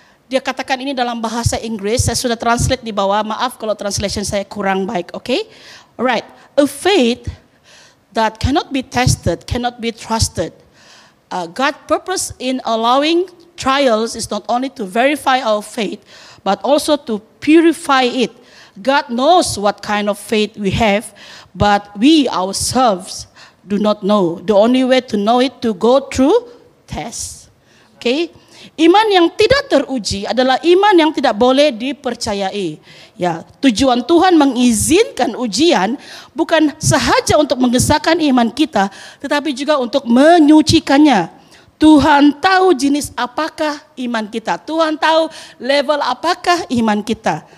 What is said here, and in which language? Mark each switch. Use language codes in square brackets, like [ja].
[ms] Dia katakan ini dalam bahasa Inggris, saya sudah translate di bawah. Maaf kalau translation saya kurang baik, okay. [en] Right, a faith that cannot be tested, cannot be trusted. God's purpose in allowing trials is not only to verify our faith, but also to purify it. God knows what kind of faith we have, but we ourselves do not know. The only way to know it, to go through tests. Okay? [ms] Iman yang tidak teruji adalah iman yang tidak boleh dipercayai. Ya, tujuan Tuhan mengizinkan ujian bukan sahaja untuk mengesakan iman kita, tetapi juga untuk menyucikannya. Tuhan tahu jenis apakah iman kita. Tuhan tahu level apakah iman kita.